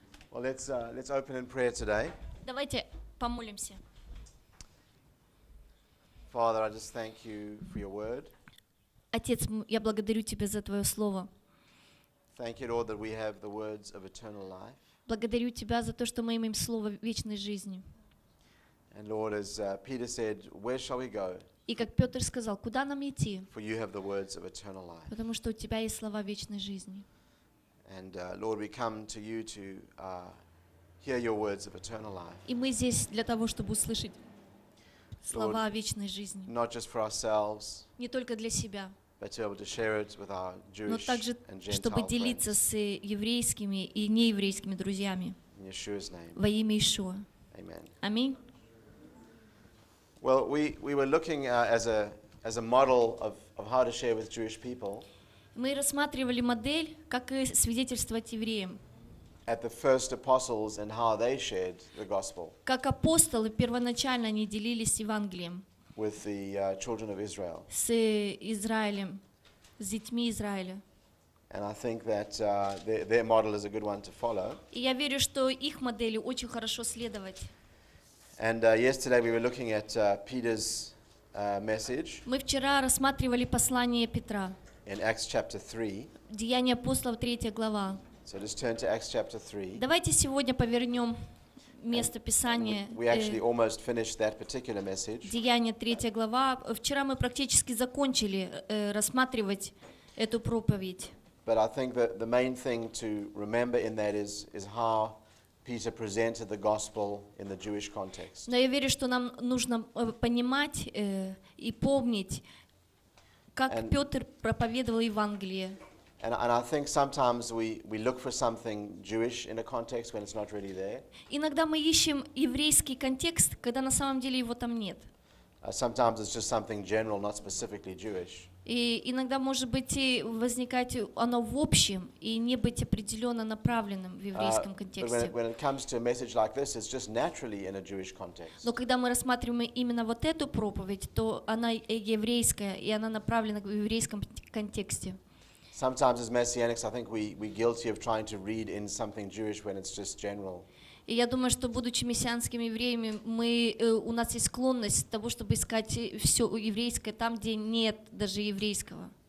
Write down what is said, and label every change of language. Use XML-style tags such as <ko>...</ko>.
<en>Well, let's open in prayer today.</en> <ru>Давайте помолимся.</ru> <en>Father, I just thank you for your word.</en> <ru>Отец, я благодарю тебя за твое слово.</ru> <en>Thank you, Lord, that we have the words of eternal life.</en> <ru>Благодарю тебя за то, что мы имеем слово вечной жизни.</ru> <en>And Lord, as Peter said, where shall we go?</en> <ru>И как Петр сказал, куда нам идти?</ru> <en>For you have the words of eternal life.</en> <ru>Потому что у тебя есть слова вечной жизни.</ru> <en>And Lord, we come to you to hear your words of eternal life.</en> <ru>И мы здесь для того, чтобы услышать слова вечной жизни.</ru> <en>Not just for ourselves.</en> <ru>Не только для себя.</ru> <en>But to be able to share it with our Jewish and Gentile friends.</en> <ru>Но также чтобы делиться с еврейскими и нееврейскими друзьями.</ru> <en>In Yeshua's name.</en> <ru>Во имя Иешуа.</ru> <en>Amen.</en> <ru>Аминь.</ru> <en>Well, we were looking as a model of how to share with Jewish people.</en> <ru>Мы рассматривали модель, как свидетельствовать евреям.</ru> <en>At the first apostles and how they shared the gospel.</en> <ru>Как апостолы первоначально они делились Евангелием.</ru> <en>With the children of Israel.</en> <ru>С Израилем, с детьми Израиля.</ru> <en>And I think that their model is a good one to follow.</en> <ru>И я верю, что их модели очень хорошо следовать.</ru> <en>And yesterday we were looking at Peter's message.</en> <ru>Мы вчера рассматривали послание Петра.</ru> <en>In Acts chapter 3.</en> <ru>Деяния апостолов, 3 глава.</ru> <en>So let's turn to Acts chapter 3.</en> <ru>Давайте сегодня повернем место Писания.</ru> <en>We actually almost finished that particular message.</en> <ru>Деяния 3 глава. Вчера мы практически закончили рассматривать эту проповедь.</ru> <en>But I think that the main thing to remember in that is how Peter presented the gospel in the Jewish context.</en> <ru>Но я верю, что нам нужно понимать и помнить, как Петр проповедовал Евангелие.</ru> <en>And I think sometimes we look for something Jewish in a context when it's not really there.</en> <ru>Иногда мы ищем еврейский контекст, когда на самом деле его там нет.</ru> <en>Sometimes it's just something general, not specifically Jewish.</en> <ru>И иногда может быть и возникать оно в общем и не быть определенно направленным в еврейском контексте.</ru> <en>When it comes to a message like this, it's just naturally in a Jewish context.</en> <ru>Но когда мы рассматриваем именно вот эту проповедь, то она еврейская и она направлена в еврейском контексте.</ru> <en>Sometimes as Messianics, I think we're guilty of trying to read in something Jewish when it's just general.</en> <ru>И я думаю, что будучи мессианскими евреями, мы у нас есть склонность к тому, чтобы искать все еврейское там, где нет даже еврейского.</ru>